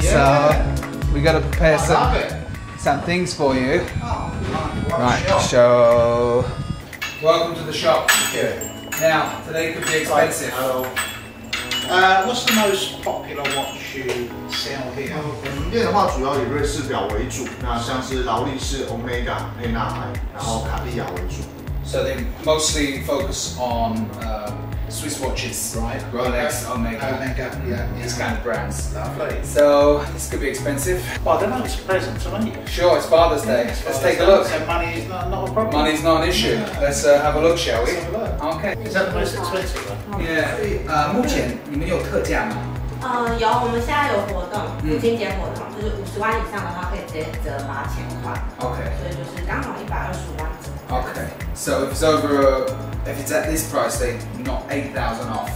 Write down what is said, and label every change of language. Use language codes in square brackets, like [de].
[en] yeah. So we got to prepare some things for you. Oh, right, so welcome to the shop. Okay. Now, today could be expensive. Right. What's the most popular watch you sell here? [zh] 门店的话，主要以瑞士表为主，那像是劳力士、Omega、沛纳海，然后卡地亚为主。 [en] So they mostly focus on. Swiss watches, right? Rolex, Omega. Omega, yeah. These kind of brands. Lovely. So, this could be expensive. Well, they're nice presents, aren't they? Sure, it's Father's Day. Yeah, Father's Let's take a look. So, money is not a problem. Money's not an issue. Yeah. Let's have a look, shall we? Let's have a look. Okay. Is that the most expensive one? Yeah. [zh] 目前你们有特价吗？有，我们现在有活动，母亲节活动。就是50万以上的话可以直接折八千块。 [en] OK。 [zh] 所以就是刚好125万折。 [en] OK。 So if it's over, if it's at this price, they knock 8,000 off.